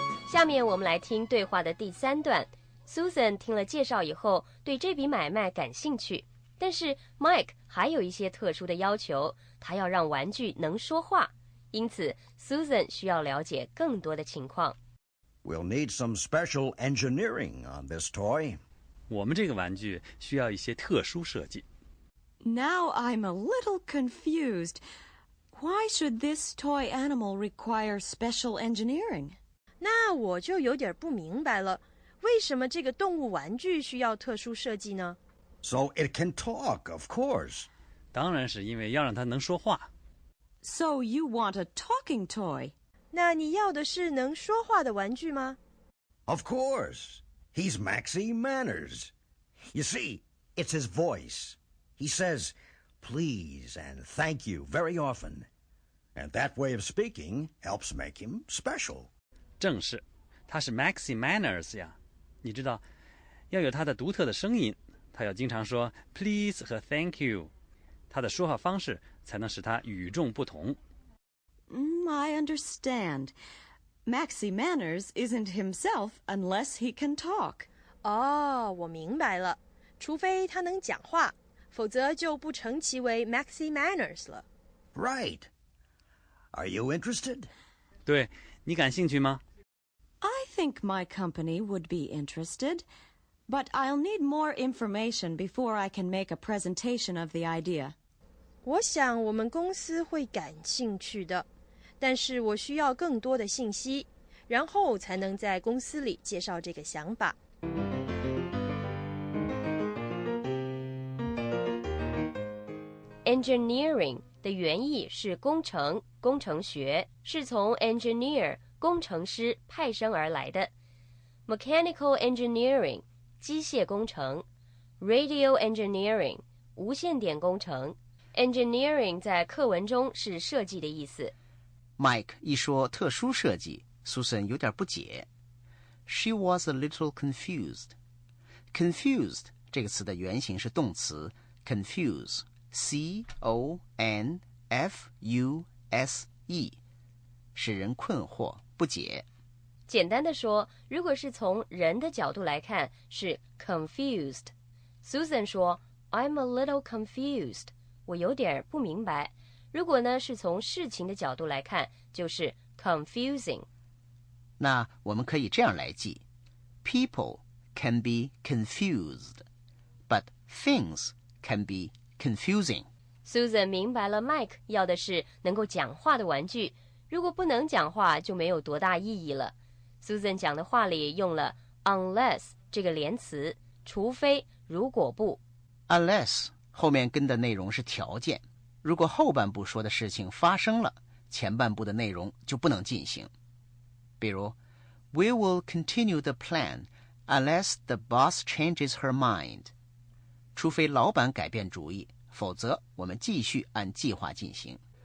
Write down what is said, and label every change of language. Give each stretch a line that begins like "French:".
Chinese: 下面我们来听对话的第三段。Susan 听了介绍以后对这笔买卖感兴趣，但是 Mike 还有一些特殊的要求，他要让玩具能说话，因此 Susan 需要了解更多的情况。
English: We'll need some special engineering on this toy.
Chinese: 我们这个玩具需要一些特殊设计。
English: Now I'm a little confused. Why should this toy animal require special engineering?
Chinese: 那我就有点不明白了，为什么这个动物玩具需要特殊设计呢？
English: So it can talk, of course.
Chinese: 当然是因为要让它能说话。
English: So you want a talking toy?
Chinese: 那你要的是能说话的玩具吗？
English: Of course. He's Maxie Manners. You see, it's his voice. He says, please and thank you very often. And that way of speaking helps make him special.
Chinese: 正是，他是 Maxie Manners 呀。你知道，要有他的独特的声音，他要经常说 please 和 thank you， 他的说话方式才能使他与众不同。
English: I understand. Maxie Manners isn't himself unless he can talk.
Chinese: 哦，我明白了，除非他能讲话，否则就不称其为 Maxie Manners 了。
English: Right. Are you interested?
Chinese: 对，你感兴趣吗？
English: I think my company would be interested, but I'll need more information before I can make a presentation of the idea.
Chinese: 我想我们公司会感兴趣的，但是我需要更多的信息，然后才能在公司里介绍这个想法。 Engineering 的原意是工程、工程学，是从 engineer工程师派生而来的。 Mechanical engineering 机械工程， Radio engineering 无线电工程。 Engineering 在课文中是设计的意思。 Mike 一说特殊设计， Susan 有点不解。
English: She was a little confused.
Chinese: Confused 这个词的原型是动词 Confuse， C-O-N-F-U-S-E， 使人困惑不解。简单的说，如果是从人的角度来看，是 confused。 Susan 说
English: I'm a little confused，
Chinese: 我有点不明白。如果呢是从事情的角度来看，就是 confusing。那我们可以这样来记， People can be confused， but things can be confusing。 Susan 明白了 Mike 要的是能够讲话的玩具，如果不能讲话就没有多大意义了。 Susan 讲的话里用了 unless 这个连词，除非，如果不。 unless 后面跟的内容是条件，如果后半部说的事情发生了，前半部的内容就不能进行。比如
English: We will continue the plan unless the boss changes her mind，
Chinese: 除非老板改变主意，否则我们继续按计划进行。